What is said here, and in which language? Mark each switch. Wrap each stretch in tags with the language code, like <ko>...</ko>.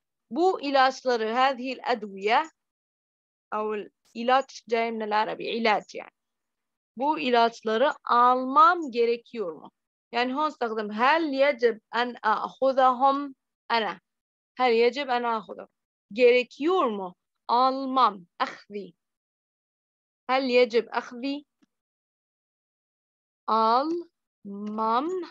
<tr>Bu ilaçları,</tr> <ar>هذه الأدوية أو الإلاج جاي من العربي علاج يعني.</ar> <tr>Bu ilaçları almam gerekiyor mu? Yani</tr> <ar>هون استخدم هل يجب أن أخذهم أنا؟ هل يجب أن أخذهم؟</ar> <tr>Gerekiyor mu? Almam,</tr> <ar>أخذي. هل يجب أخذي؟</ar> <tr>Almam.</tr>